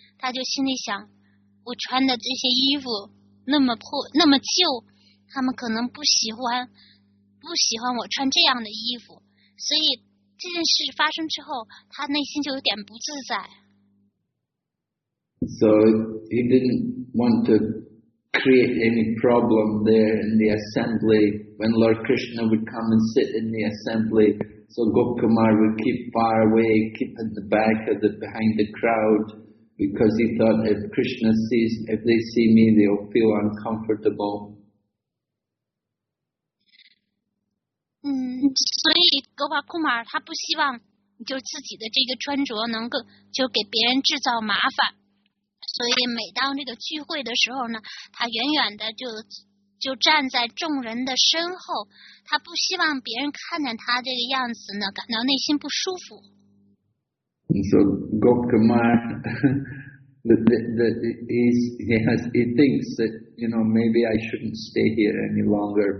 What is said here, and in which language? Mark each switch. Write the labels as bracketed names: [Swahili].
[Chinese] 他就心里想，我穿的这些衣服那么破，那么旧，他们可能不喜欢我穿这样的衣服。所以这件事发生之后，他内心就有点不自在。 [English] So he didn't want to. Create any problem there in the assembly when Lord Krishna would come and sit in the assembly. So Gokumar would keep far away, keep in the back of the behind the crowd because he thought if Krishna sees, if they see me, they'll feel uncomfortable. So Gokumar, he [Chinese] 不希望就自己的这个穿着能够就给别人制造麻烦。所以每当这个聚会的时候呢，他远远的就站在众人的身后，他不希望别人看见他这个样子呢，感到内心不舒服。 [English] So Gokumar, he thinks that, you know, maybe I shouldn't stay here any longer.